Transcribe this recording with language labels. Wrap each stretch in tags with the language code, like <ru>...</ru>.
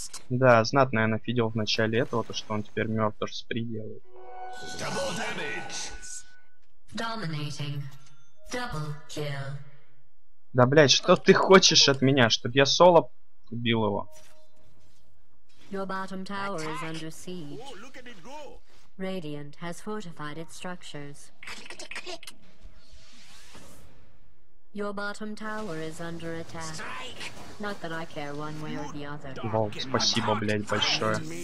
<ru>Да, знатно я нафидел в начале этого, то что он теперь Murder Spree делает.</ru> <en>Double damage. Dominating. Double kill.</en> <ru>Да, блядь, что ты хочешь от меня, чтоб я соло убил его?</ru> <en>Your bottom tower is under siege. Oh, look at it go. Radiant has fortified its structures. Your bottom tower is under attack. Not that I care one way or the other.</en> <ru>Вау, спасибо, блядь, большое.</ru>